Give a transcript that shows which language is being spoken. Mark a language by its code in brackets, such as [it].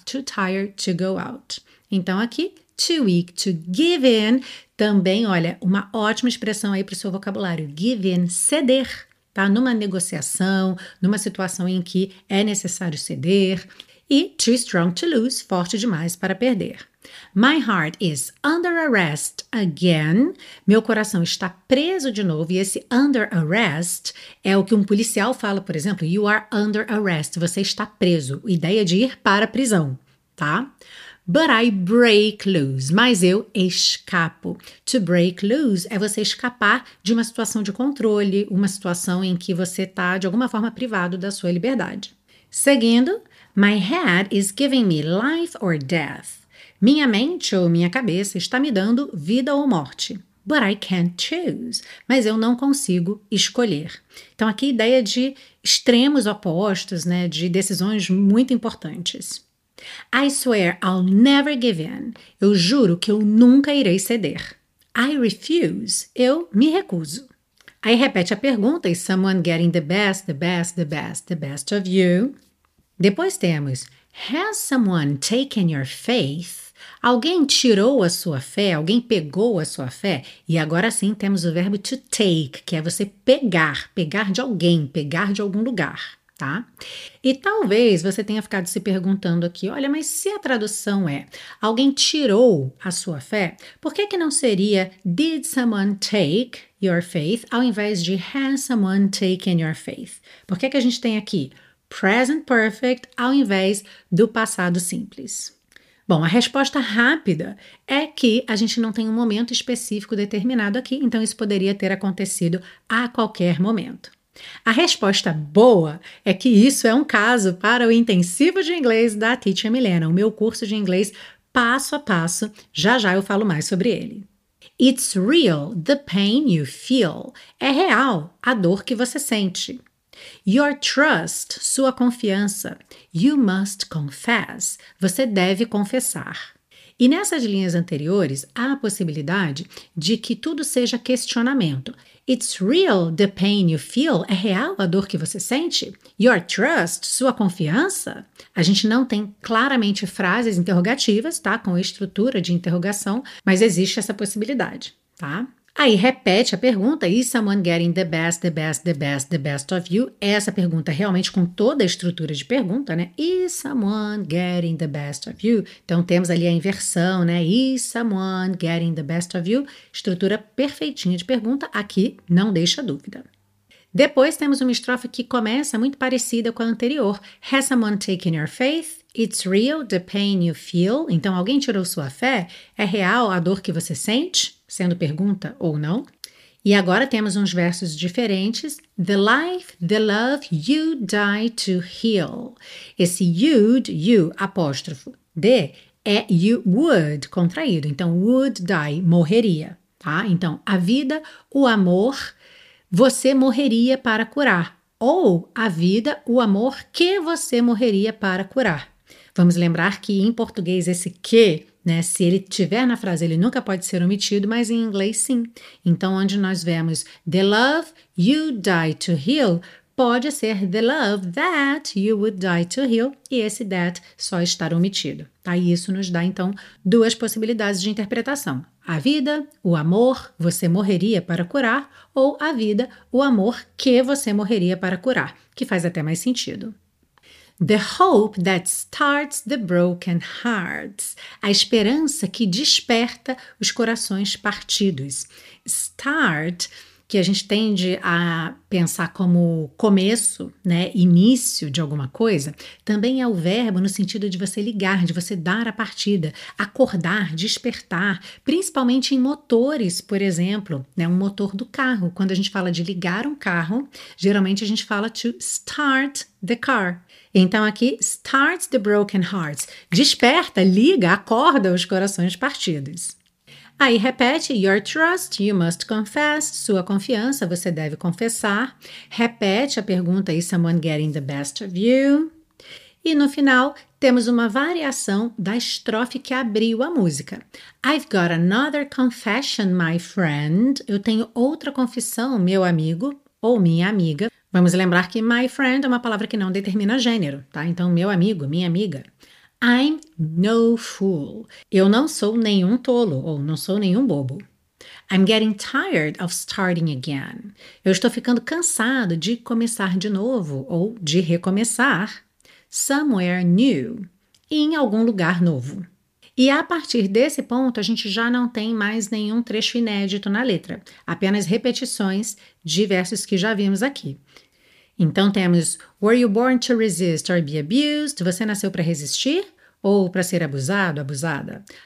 [en] Too tired to go out. [pt] Então aqui, [en] too weak to give in, [pt] também, olha, uma ótima expressão aí para o seu vocabulário, give in, ceder, tá? Numa negociação, numa situação em que é necessário ceder. E too strong to lose, forte demais para perder. [en] My heart is under arrest again. [pt] Meu coração está preso de novo. E esse under arrest é o que um policial fala, por exemplo, [en] you are under arrest. [pt] Você está preso. Ideia de ir para a prisão, tá? [en] But I break loose. [pt] Mas eu escapo. [en] To break loose [pt] é você escapar de uma situação de controle, uma situação em que você está, de alguma forma, privado da sua liberdade. Seguindo, [en] my head is giving me life or death. [pt] Minha mente ou minha cabeça está me dando vida ou morte. [en] But I can't choose. [pt] Mas eu não consigo escolher. Então, aqui, ideia de extremos opostos, né? De decisões muito importantes. [en] I swear I'll never give in. [pt] Eu juro que eu nunca irei ceder. [en] I refuse. [pt] Eu me recuso. Aí, repete a pergunta: [en] Is someone getting the best, the best, the best, the best of you? [pt] Depois temos: [en] Has someone taken your faith? [pt] Alguém tirou a sua fé? Alguém pegou a sua fé? E agora sim temos o verbo to take, que é você pegar, pegar de alguém, pegar de algum lugar, tá? E talvez você tenha ficado se perguntando aqui, olha, mas se a tradução é alguém tirou a sua fé, por que que não seria [en] did someone take your faith [pt] ao invés de [en] has someone taken your faith? [pt] Por que que a gente tem aqui present perfect ao invés do passado simples? Bom, a resposta rápida é que a gente não tem um momento específico determinado aqui, então isso poderia ter acontecido a qualquer momento. A resposta boa é que isso é um caso para o intensivo de inglês da Teacher Milena, o meu curso de inglês passo a passo. Já já eu falo mais sobre ele. [en] It's real, the pain you feel. [pt] É real a dor que você sente. [en] Your trust, [pt] sua confiança. [en] You must confess. [pt] Você deve confessar. E nessas linhas anteriores, há a possibilidade de que tudo seja questionamento. [en] It's real the pain you feel? [pt] É real a dor que você sente? [en] Your trust, [pt] sua confiança? A gente não tem claramente frases interrogativas, tá? Com estrutura de interrogação, mas existe essa possibilidade, tá? Aí repete a pergunta: [en] Is someone getting the best, the best, the best, the best of you? [pt] Essa pergunta realmente com toda a estrutura de pergunta, né? [en] Is someone getting the best of you? [pt] Então temos ali a inversão, né? [en] Is someone getting the best of you? [pt] Estrutura perfeitinha de pergunta, aqui não deixa dúvida. Depois temos uma estrofe que começa muito parecida com a anterior: [en] Has someone taken your faith? It's real the pain you feel. [pt] Então, alguém tirou sua fé? É real a dor que você sente? Sendo pergunta ou não? E agora temos uns versos diferentes. [en] The life, the love, you die to heal. [pt] Esse you'd, you, apóstrofo, de, é you would, contraído. Então, would die, morreria. Tá? Então, a vida, o amor, você morreria para curar. Ou a vida, o amor, que você morreria para curar. Vamos lembrar que em português esse que, né, se ele tiver na frase, ele nunca pode ser omitido, mas em inglês sim. Então, onde nós vemos [en] the love you die to heal, [pt] pode ser [en] the love that you would die to heal, [pt] e esse that só estar omitido. Tá? E isso nos dá, então, duas possibilidades de interpretação. A vida, o amor, você morreria para curar, ou a vida, o amor que você morreria para curar, que faz até mais sentido. [en] The hope that starts the broken hearts. [pt] A esperança que desperta os corações partidos. Start, que a gente tende a pensar como começo, né, início de alguma coisa, também é o verbo no sentido de você ligar, de você dar a partida, acordar, despertar, principalmente em motores, por exemplo, né, um motor do carro. Quando a gente fala de ligar um carro, geralmente a gente fala [en] to start the car. [pt] Então aqui, [en] start the broken hearts, [pt] desperta, liga, acorda os corações partidos. Aí repete, [en] your trust, you must confess, [pt] sua confiança, você deve confessar. Repete a pergunta, [en] is someone getting the best of you? [pt] E no final, temos uma variação da estrofe que abriu a música. [en] I've got another confession, my friend. [pt] Eu tenho outra confissão, meu amigo ou minha amiga. Vamos lembrar que my friend é uma palavra que não determina gênero, tá? Então, meu amigo, minha amiga. [en] I'm no fool. [pt] Eu não sou nenhum tolo, ou não sou nenhum bobo. [en] I'm getting tired of starting again. [pt] Eu estou ficando cansado de começar de novo, ou de recomeçar. [en] Somewhere new. [pt] Em algum lugar novo. E a partir desse ponto, a gente já não tem mais nenhum trecho inédito na letra. Apenas repetições de versos que já vimos aqui. Então temos, [en] were you born to resist or be abused? [pt] Você nasceu para resistir ou para ser abusado, abusada?